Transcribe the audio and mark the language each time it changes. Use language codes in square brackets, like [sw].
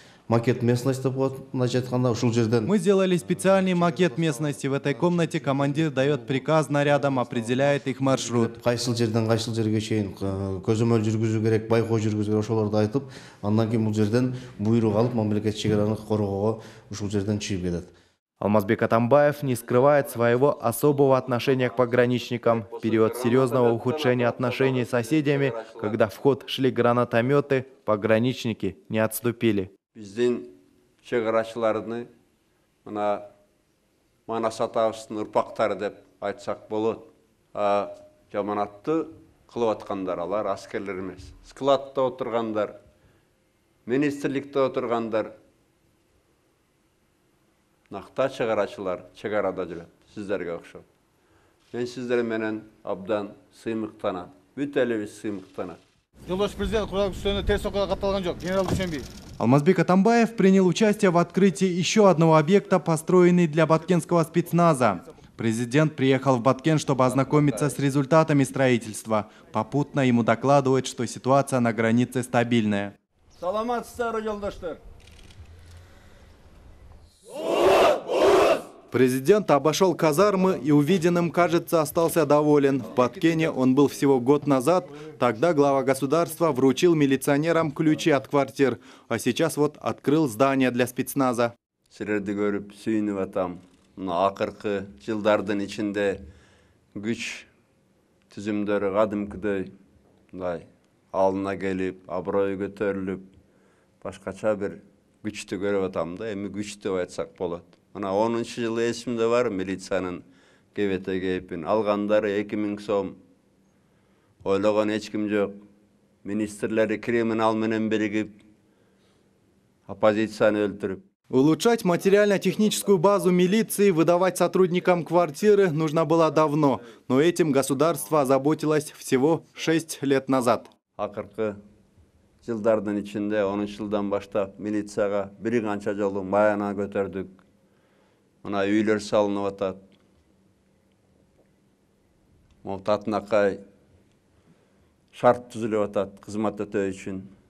[ru] макет местности вот начать хана ушел жерден. Мы сделали специальный макет местности. В этой комнате командир дает приказ нарядам, определяет их маршрут. [ky] Кайсыл жерден, кайсыл жерге чейин. Көзөмөл жүргүзүү керек, байкоо жүргүзүү керек. Ошолорду айтып, андан кийин бул жерден буйрук алып, мамлекет чек араны коргоого ушул жерден чыгып кетет. [ru] Алмазбек Атамбаев не скрывает своего особого отношения к пограничникам. Период серьезного ухудшения отношений с соседями, когда в ход шли гранатометы, пограничники не отступили. [ky] Биздин чекарачыларды мына Манас атабыздын урпактары деп айтсак болот. А жаманатты кылып аткандар алар аскерлер эмес. Складта отургандар, министрликте отургандар, накта чекарачылар чекарада жүрөт. Сиздерге окшоп. Мен сиздер менен абдан сыймыктанам. Бүт элибиз сыймыктанат. Жолдош президент Курал Күчтөрүнө тез сокуга катталган жок. Генерал Дүйшөнбиев. [ru] Алмазбек Атамбаев принял участие в открытии еще одного объекта, построенный для баткенского спецназа. Президент приехал в Баткен, чтобы ознакомиться с результатами строительства. Попутно ему докладывают, что ситуация на границе стабильная. [ky] Саламат, старый елдаштыр! [ru] Президент обошел казармы и увиденным, кажется, остался доволен. В Баткене он был всего год назад. Тогда глава государства вручил милиционерам ключи от квартир. А сейчас вот открыл здание для спецназа. [ky] Сирерди көрүп сүйүнүп атам. Мына акыркы жылдардын ичинде күч түзүмдөрү кадимкидей мындай алдына келип, аброю көтөрүлүп, башкача бир күчтү көрүп атам да. Эми күч деп айтсак болот. Мына 10-нчы жылы эсимде бар милициянын КВТ кейпин. Алгандары 2000 сом. Ойлогон эч ким жок. Министрлери криминал менен биригип оппозицияны өлтүрүп. [ru] Улучшать материально-техническую базу милиции, выдавать сотрудникам квартиры нужно было давно. Но этим государство озаботилось всего 6 лет назад. [ky] Акыркы жылдардын ичинде 10-нчы жылдан баштап милицияга бир канча жолу маяна көтөрдүк. Мына үйлөр салынып атат. Мол татынакай шарт түзүлүп атат кызмат өтөө үчүн.